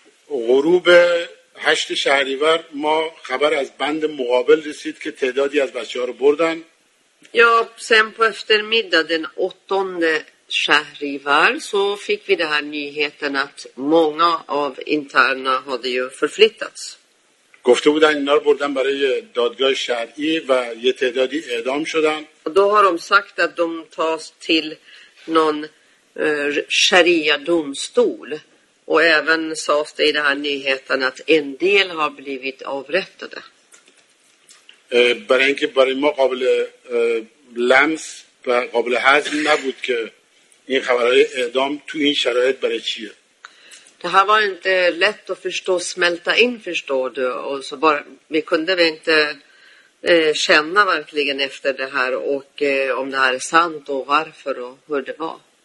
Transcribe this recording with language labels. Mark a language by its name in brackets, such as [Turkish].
[Persian] غروب هشت شهریور ما خبر از بند مقابل رسید که تعدادی از بچه ها رو بردن. [Swedish] Ja, sen på eftermiddag den 8 Shahrivar så fick vi den här nyheten att många av interna hade ju förflyttats. [Persian] گفته بودن اینا رو بردن برای دادگاه شرعی و یه تعدادی اعدام شدن. [Swedish] Då har de sagt att de tas till någon sharia domstol och även sades det i den här nyheten att en del har blivit avrättade. [Persian] برای اینکه برای ما قابل لمس و قابل هضم نبود که این خبرهای اعدام تو این شرایط برای چیه. [Swedish] Det här var inte lätt att förstå, smälta in förstår du, och så bara vi kunde väl inte känna verkligen efter det här och om det här är sant och varför och hur det var.